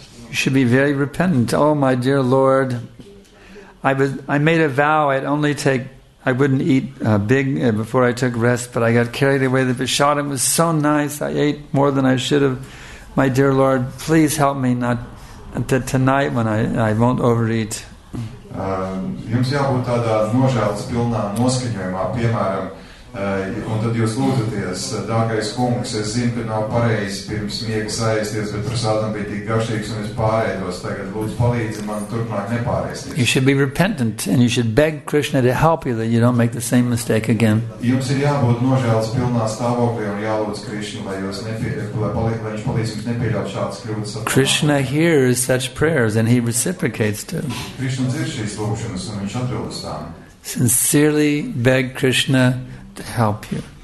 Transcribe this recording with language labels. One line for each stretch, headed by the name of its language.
English: You should be very repentant. Oh, my dear Lord, I made a vow I wouldn't eat big before I took rest, but I got carried away. The vishadam was so nice. I ate more than I should have. My dear Lord, please help me not to tonight when I won't overeat.
Latvian: Jums jābūt tādā nožēlas pilnā noskaņojumā, piemēram, un tad jūs lūdzaties, dārgais kungs, es zinu, ka nav pareizi pirms miega saēsties, bet prasādam bija tik garšīgs un es pārēdos. Tagad lūdzu palīdzi man turpmāk nepārēsties.
English: You should be repentant and you should beg Krishna to help you that you don't make the same mistake again.
Latvian: Jums ir jābūt nožēlas pilnā stāvoklī un jālūdz Krishna, lai jūs lai viņš palīdz jums nepieļaut šādas kļūdas.
English: Krishna hears such prayers and he reciprocates too.
Latvian: Krishna dzird šīs lūkšanas un viņš atbild uz tām.
English: Sincerely beg Krishna to help you.